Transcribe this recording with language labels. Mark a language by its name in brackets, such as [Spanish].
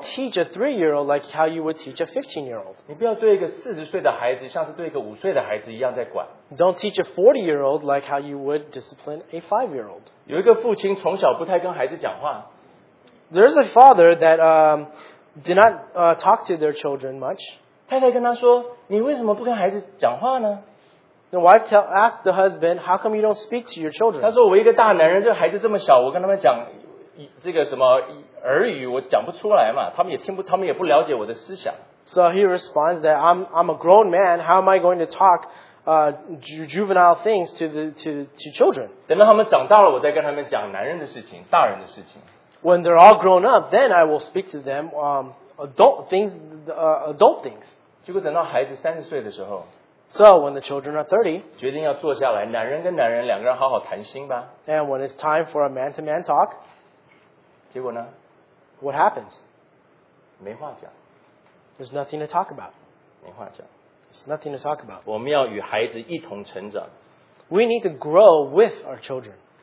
[English] teach a three-year-old like how you would teach a 15-year-old. [Chinese] 你不要对一个40岁的孩子像是对一个5岁的孩子一样在管。 [English] Don't teach a 40-year-old like how you would discipline a 5-year-old. [Chinese] 有一个父亲从小不太跟孩子讲话。 [English] There's a father that did not talk to their children much. [Chinese] 太太跟他说，你为什么不跟孩子讲话呢？ [English] The wife asked the husband, "How come you don't speak to your children?" [Chinese] 他说，我一个大男人，这孩子这么小，我跟他们讲这个什么耳语，我讲不出来嘛，他们也听不，他们也不了解我的思想。 [English] So he responds that I'm a grown man. How am I going to talk juvenile things to children? [Chinese] 等到他们长大了，我再跟他们讲男人的事情，大人的事情。 [English] When they're all grown up, then I will speak to them adult things. [Chinese] 结果等到孩子30岁的时候, [English] so when the children are 30, [Chinese] 决定要坐下来, 男人跟男人两个人好好谈心吧, [English] and when it's time for a man-to-man talk, [Chinese] 结果呢? [English] What happens? [Chinese] 没话讲, [English] there's nothing to talk about. [Chinese] 没话讲, [English] there's nothing to talk about. [Chinese] 我们要与孩子一同成长, [English] we need to grow with our children.